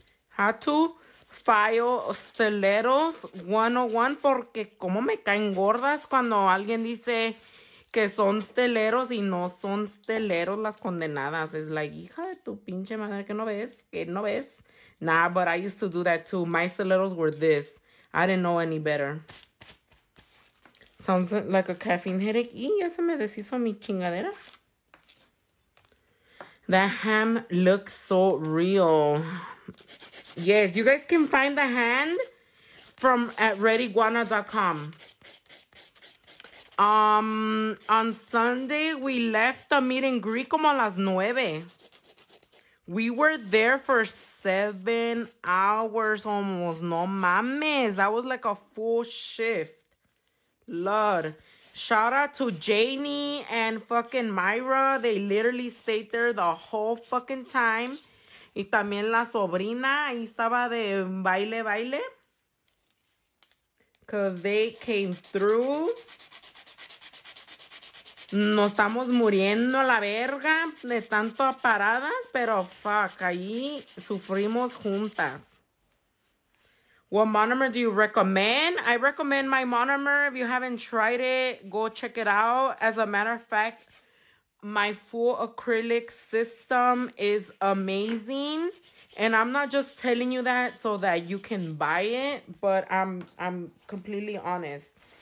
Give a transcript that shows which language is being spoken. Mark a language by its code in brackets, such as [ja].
[en] How to file stilettos 101, [es] porque como me caen gordas cuando alguien dice que son stilettos y no son stilettos las condenadas. Es la hija de tu pinche madre, que no ves, que no ves. [en] Nah, but I used to do that too. My stilettos were this. I didn't know any better. Sounds like a caffeine headache. [es] Y ya se me deshizo mi chingadera. [en] That ham looks so real. Yes, you guys can find the hand from at readyguana.com. On Sunday, we left the meet and greet [es] como a las 9. [en] We were there for 7 hours almost. [es] No mames. [en] That was like a full shift. Lord, shout out to Janie and fucking Myra. They literally stayed there the whole fucking time. [es] Y también la sobrina ahí estaba de baile, baile. [en] Because they came through. [es] Nos estamos muriendo a la verga de tanto a paradas, pero fuck, ahí sufrimos juntas. [en] What monomer do you recommend? I recommend my monomer. If you haven't tried it, go check it out. As a matter of fact, my full acrylic system is amazing. And I'm not just telling you that so that you can buy it, but I'm completely honest.